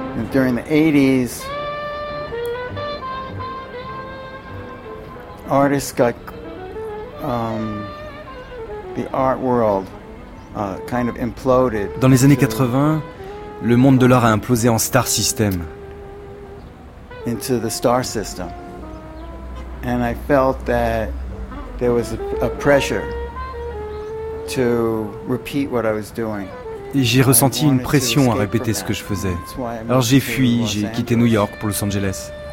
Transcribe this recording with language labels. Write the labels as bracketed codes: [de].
[en] During the 80s, artists got the art world kind of imploded. [fr] Dans les années 80, le monde de l'art a implosé en star system. [en] Into the star system. And I felt that there was a pressure to repeat what I was doing. [fr] Et j'ai ressenti une pression à répéter ce que je faisais. Alors j'ai fui, j'ai quitté New York pour Los Angeles.